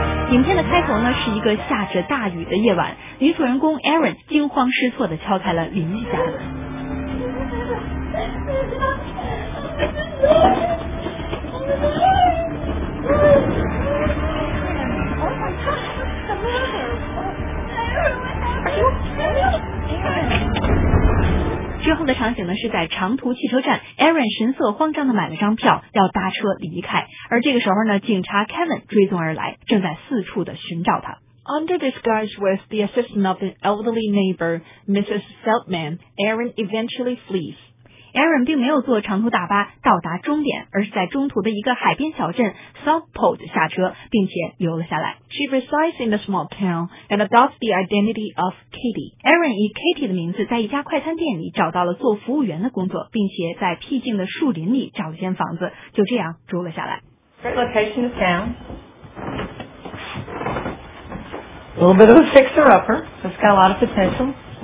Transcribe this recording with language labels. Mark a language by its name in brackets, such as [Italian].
[Chinese] 影片的开头呢，是一个下着大雨的夜晚，女主人公 Erin 惊慌失措地敲开了邻居家的门。之后的场景呢，是在长途汽车站， Erin 神色慌张地买了张票要搭车离开，而这个时候呢，警察 Kevin 追踪而来，正在四处地寻找他。 [English] Under disguise with the assistance of an elderly neighbor, Mrs. Feldman, Erin eventually flees. [Chinese] Erin 并没有坐长途大巴到达终点，而是在中途的一个海边小镇 Southport 下车，并且留了下来。 [English] She resides in a small town and adopts the identity of Katie. [Chinese] Erin 以 Katie 的名字在一家快餐店里找到了做服务员的工作，并且在僻静的树林里找了间房子，就这样住了下来。 [English] Great location is down. A little bit of a fixer-upper. It's got a lot of potential.